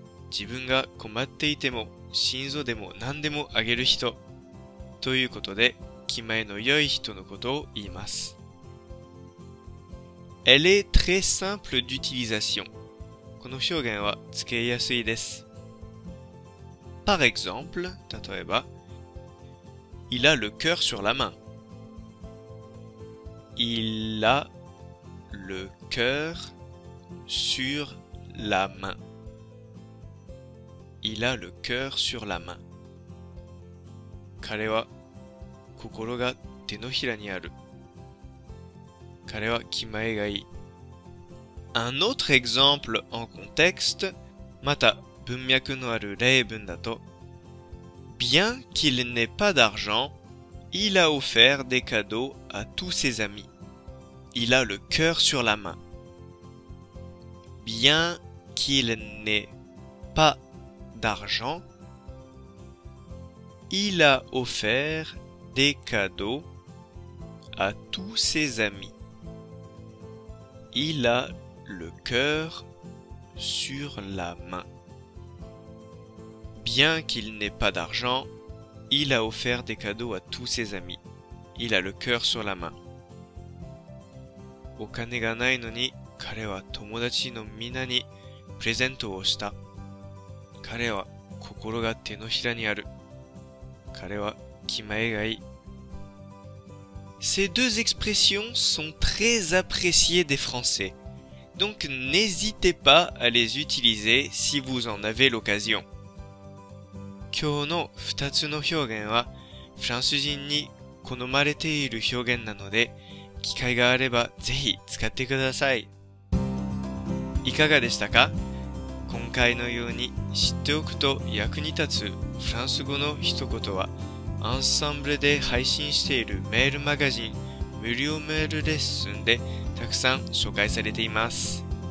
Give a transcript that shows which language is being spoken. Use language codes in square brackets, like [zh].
[ja] 自分が困っていても、心臓でも何でもあげる人。ということで、気前の良い人のことを言います。 [fr] Elle est très simple d'utilisation. [ja] この表現は使いやすいです。 [fr] Par exemple, [ja] 例えば、 [fr] Il a le cœur sur la main. Il aLe cœur sur la main. Il a le cœur sur la main. [ja] 彼は心が手のひらにある。彼は気前がいい。 [fr] Un autre exemple en contexte, [ja] また文脈のある例文だと、 [fr] Bien qu'il n'ait pas d'argent, il a offert des cadeaux à tous ses amis. Il a le cœur sur la main. Bien qu'il n'ait pas d'argent, il a offert des cadeaux à tous ses amis. Il a le cœur sur la main. Bien qu'il n'ait pas d'argent, il a offert des cadeaux à tous ses amis. Il a le cœur sur la main. [ja] お金がないのに彼は友達のみんなにプレゼントをした。彼は心が手のひらにある。彼は気前がいい。 [fr] Ces deux expressions sont très appréciées des Français. Donc n'hésitez pas à les utiliser si vous en avez l'occasion. [ja] 今日の2つの表現はフランス人に好まれている表現なので、機会があればぜひ使ってください。いかがでしたか？今回のように知っておくと役に立つフランス語の一言は、アンサンブルで配信しているメールマガジン無料メールレッスンでたくさん紹介されています。